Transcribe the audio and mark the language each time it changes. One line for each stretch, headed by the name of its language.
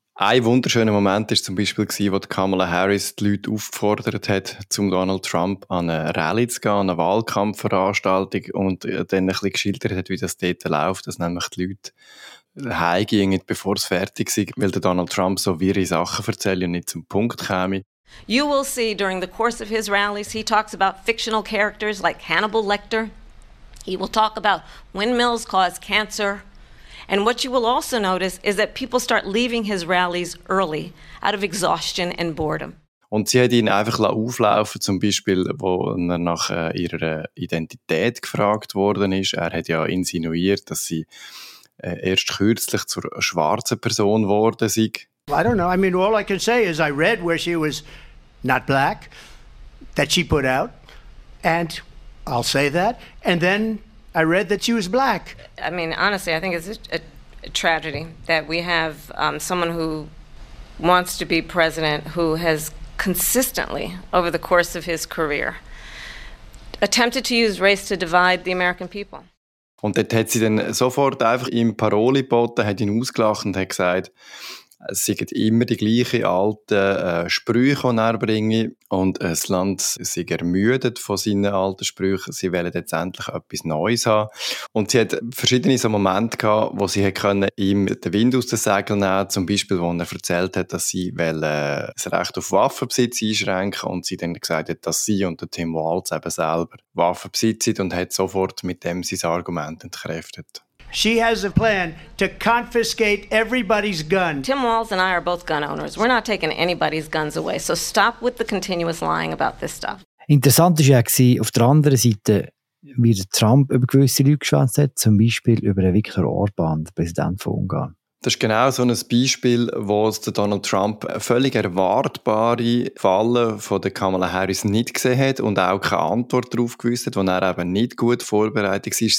German: Ein wunderschöner Moment war zum Beispiel, wo Kamala Harris die Leute aufgefordert hat, zum Donald Trump an eine Rallye zu gehen, an eine Wahlkampfveranstaltung und dann ein bisschen geschildert hat, wie das dort läuft, dass nämlich die Leute heimgingen, bevor es fertig war, weil der Donald Trump so wirre Sachen erzählt und nicht zum Punkt käme.
English: You will see during the course of his rallies, he talks about fictional characters like Hannibal Lecter. He will talk about windmills cause cancer. And what you will also notice is that people start leaving his rallies early, out of exhaustion and boredom.
German: Und sie hat ihn einfach auflaufen, zum Beispiel, wo er nach ihrer Identität gefragt worden ist. Er hat ja insinuiert, dass sie erst kürzlich zur schwarzen Person geworden sei.
English: I don't know. I mean, all I can say is I read where she was not black, that she put out, and I'll say that, and then I read that she was black. I mean, honestly, I think it's a tragedy that we have someone who wants to be president who has consistently, over the course of his career, attempted to use race to divide the American people.
German: Und dort hat sie dann sofort einfach ihm Paroli geboten, hat ihn ausgelacht und hat gesagt, es seien immer die gleichen alten Sprüche, die er bringe. Und das Land sei ermüdet von seinen alten Sprüchen. Sie wollen jetzt endlich etwas Neues haben. Und sie hat verschiedene so Momente gehabt, wo sie hat können, ihm den Wind aus den Segeln nehmen konnte. Zum Beispiel, wo er erzählt hat, dass sie das Recht auf Waffenbesitz einschränken wollen. Und sie dann gesagt hat, dass sie und Tim Walz eben selber Waffenbesitz sind. Und hat sofort mit dem sein Argument entkräftet.
English: She has a plan to confiscate everybody's gun. Tim Walz and I are both gun owners. We're not taking anybody's guns away. So stop with the continuous lying about this stuff.
German: Interessant ist ja auch, auf der anderen Seite, wie der Trump über gewisse Leute geschwänzt hat, zum Beispiel über Viktor Orbán, den Präsidenten von Ungarn. Das ist genau so ein Beispiel, wo es Donald Trump völlig erwartbare Falle von Kamala Harris nicht gesehen hat und auch keine Antwort darauf gewusst hat, wo er eben nicht gut vorbereitet war.